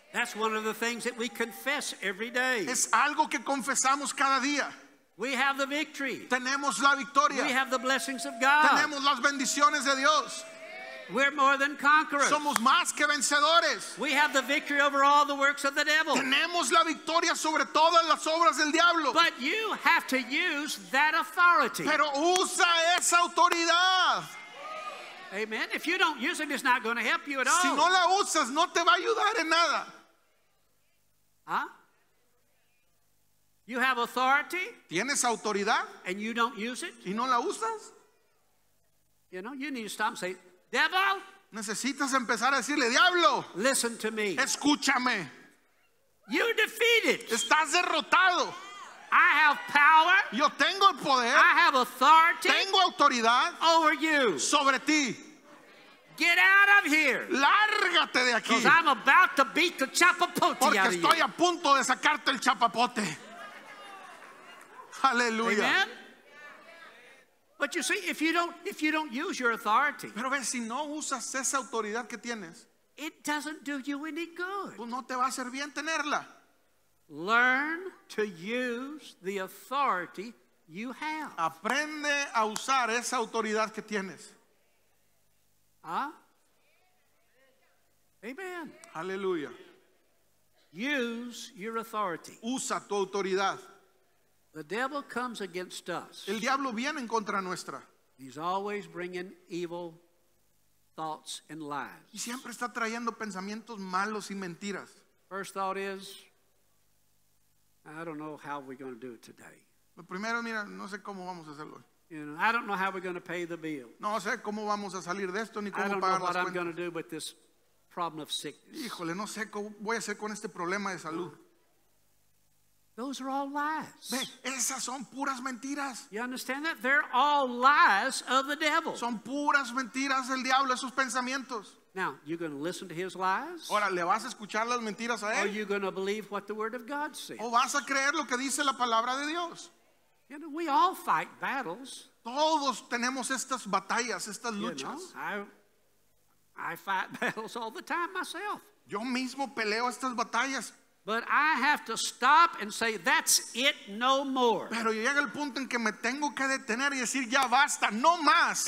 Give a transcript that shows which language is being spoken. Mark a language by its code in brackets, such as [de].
[en] That's one of the things that we confess every day. [es] Es algo que confesamos cada día. [en] We have the victory. [es] Tenemos la victoria. [en] We have the blessings of God. [es] Tenemos las bendiciones de Dios. [en] We're more than conquerors. [es] Somos más que vencedores. [en] We have the victory over all the works of the devil. [es] Tenemos la victoria sobre todas las obras del diablo. [en] But you have to use that authority. [es] Pero usa esa autoridad. [en] Amen. If you don't use it, it's not going to help you at all. [es] Si no la usas, no te va a ayudar en nada. [en] Huh? You have authority. [es] Tienes autoridad. [en] And you don't use it. [es] Y no la usas. [en] You know, you need to stop and say, devil. [es] Necesitas empezar a decirle, diablo. [en] Listen to me. [es] Escúchame. [en] You're defeated. [es] Estás derrotado. [en] I have power. [es] Yo tengo el poder. [en] I have authority. [es] Tengo autoridad. [en] Over you. [es] Sobre ti. [en] Get out of here. [es] Lárgate de aquí. [en] Because I'm about to beat the chapapote out of you. [es] Porque estoy a punto de sacarte el chapapote. Aleluya. [en] Amen. But you see, if you don't use your authority. [es] Pero ves, si no usas esa autoridad que tienes. [en] It doesn't do you any good. [es] Pues no te va a hacer bien tenerla. [en] Learn to use the authority you have. [es] Aprende a usar esa autoridad que tienes. Huh? [en] Amen. Hallelujah. Use your authority. [es] Usa tu autoridad. [en] The devil comes against us. [es] El diablo viene en contra nuestra. [en] He's always bringing evil thoughts and lies. [es] Y siempre está trayendo pensamientos malos y mentiras. [en] First thought is, I don't know how we're going to do it today. [es] Lo primero, mira, no sé cómo vamos a hacerlo. [en] You know, I don't know how we're going to pay the bill. [es] No sé cómo vamos a salir de esto ni cómo pagar las cuentas. [en] I don't know what I'm going to do with this problem of sickness. [es] Híjole, no sé cómo voy a hacer con este problema de salud. [en] Those are all lies. [es] Ve, esas son puras mentiras. [en] You understand that? They're all lies of the devil. [es] Son puras mentiras del diablo, esos pensamientos. [en] Now, you're going to listen to his lies? [es] Ahora, ¿le vas a escuchar las mentiras a él? [en] Or are you going to believe what the word of God says? [es] ¿O vas a creer lo que dice la palabra de Dios? [en] You know, we all fight battles. [es] Todos tenemos estas batallas, estas luchas. [en] You know, I fight battles all the time myself. [es] Yo mismo peleo estas batallas. [en] But I have to stop and say, that's it, no more. [es] Pero llega el punto en que me tengo que detener y decir, ya basta, no más.